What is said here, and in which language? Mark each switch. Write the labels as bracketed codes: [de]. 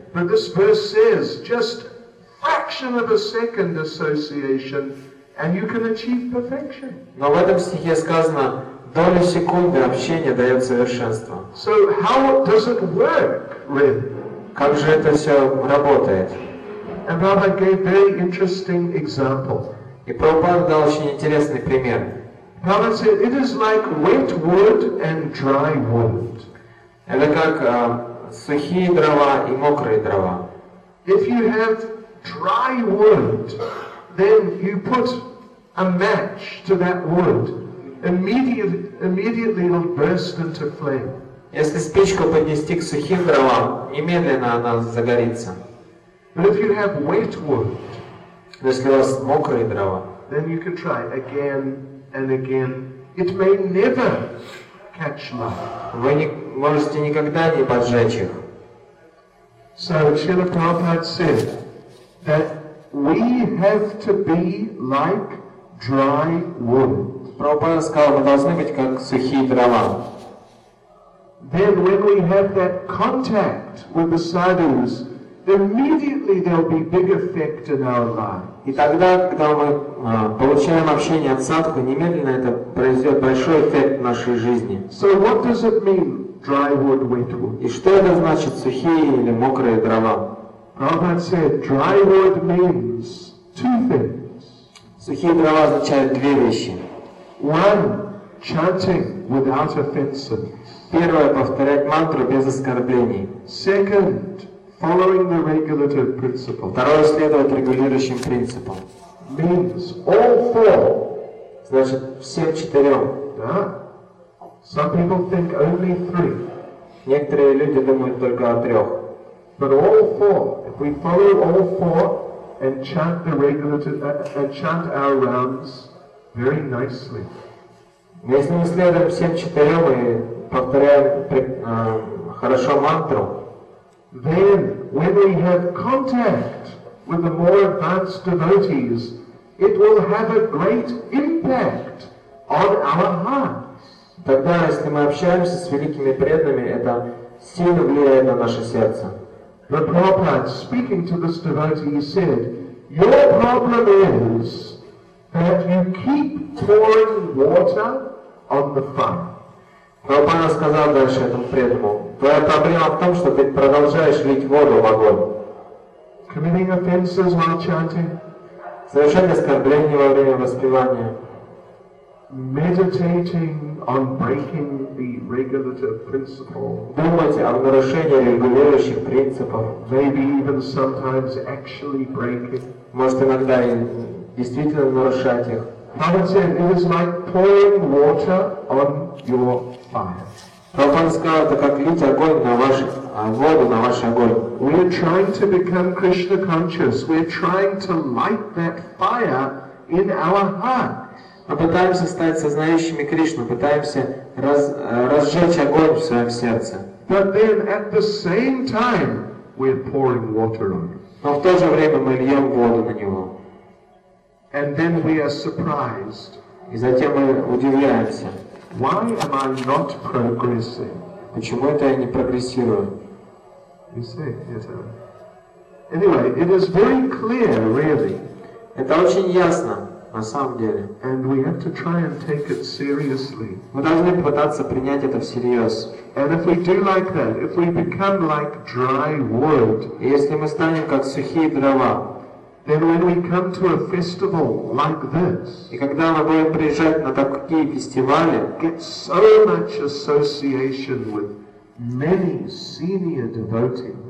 [en] But this verse says, just fraction of a second association, and you can achieve perfection. [ru] Но в этом стихе сказано, доля секунды общения дает совершенство. [en] So how does it work, really? [ru] Как же это все работает? [en] And Baba gave very interesting example. [ru] И Прабхупада дал очень интересный пример. [en] Baba said, it is like wet wood and dry wood. [ru] Это как сухие дрова и мокрые дрова. [en] If you have dry wood, then you put a match to that wood. Immediately it'll burst into flame. [ru] Если спичку поднести к сухим дровам, немедленно она загорится. [en] But if you have wet wood, [ru] если у вас мокрые дрова, [en] then you can try again and again. It may never catch light. [ru] Вы не можете никогда не поджечь их. [en] So Srila Prabhupada said that we have to be like dry wood. [ru] Прабхупада сказал, мы должны быть как сухие дрова. [en] Then when we have that contact with the sadhus, immediately there'll be big effect in our lives. [ru] И тогда, когда мы получаем общение от садху, немедленно это произведет большой эффект в нашей жизни. [en] So what does it mean, dry wood, wet wood? [ru] И что это значит, сухие или мокрые дрова? [en] Prabhupada said, dry wood means two things. [ru] Сухие дрова означают две вещи. [en] One, chanting without offenses. [ru] Первое, повторять мантру без оскорблений. [en] Second, following the regulative principle. [ru] Второе, следовать регулирующим принципам. [en] Means all four. [ru] Значит, всем четырем. [en] Да? Some people think only three. [ru] Некоторые люди думают только о трех. [en] But all four. If we follow all four and chant the regulative and chant our rounds very nicely. [ru] Если мы следуем всем четырем и повторяем хорошо мантру, [en] then when we have contact with the more advanced devotees, it will have a great impact on our hearts. [ru] Тогда, если мы общаемся с великими преданными, это сильно влияет на наше сердце. [en] The Prabhupada, speaking to this devotee, said, "Your problem is that you keep pouring water on the fire." [ru] Прабхупада сказал дальше этому преданному, твоя проблема в том, что ты продолжаешь лить воду в огонь. [en] Committing offenses while chanting. [ru] Совершать оскорбления во время воспевания. [en] Meditating on breaking the regulative principle. [ru] Думать о нарушении регулирующих принципов. [en] Maybe even sometimes actually breaking. [ru] Может иногда и действительно нарушать их. [en] Prabhupada said, it is like pouring water on your fire. [ru] Prabhupada сказал, это как лить огонь на ваш, воду на ваш огонь. [en] We are trying to become Krishna conscious. We are trying to light that fire in our heart. [ru] Мы пытаемся стать сознающими Кришну, пытаемся разжечь огонь в своем сердце. [en] But then at the same time, we are pouring water on it. [ru] Но в то же время мы льем воду на него. [en] And then we are surprised. [ru] И затем мы удивляемся. [en] Why am I not progressing? [ru] Почему это я не прогрессирую? [en] You see, yes, anyway, it is very clear, really. [ru] Это очень ясно, на самом деле. [en] And we have to try and take it seriously. [ru] Мы должны пытаться принять это всерьез. [en] And if we do like that, if we become like dry wood, [ru] если мы станем как сухие дрова, [en] then when we come to a festival like this, [ru] и когда мы будем приезжать на такие фестивали, [en] get so much association with many senior devotees,